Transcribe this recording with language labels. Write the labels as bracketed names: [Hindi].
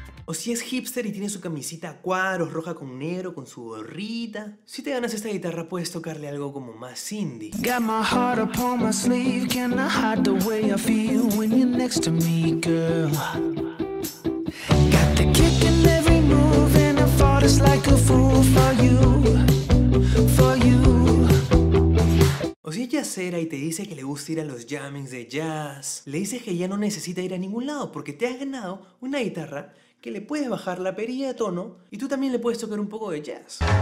[Spanish] O si es hipster y tiene su camisita a cuadros, roja con negro, con su gorrita. Si te ganas esta guitarra, puedes tocarle algo como más indie. [English] Got my heart upon my sleeve, can I hide the way I feel when you're next to me, girl? Got the kick in every move and I fought us like a fool for you, for you. [Spanish] O si ella cera y te dice que le gusta ir a los jammings de jazz, le dices que ya no necesita ir a ningún lado porque te has ganado una guitarra que le puedes bajar la perilla de tono y tú también le puedes tocar un poco de jazz.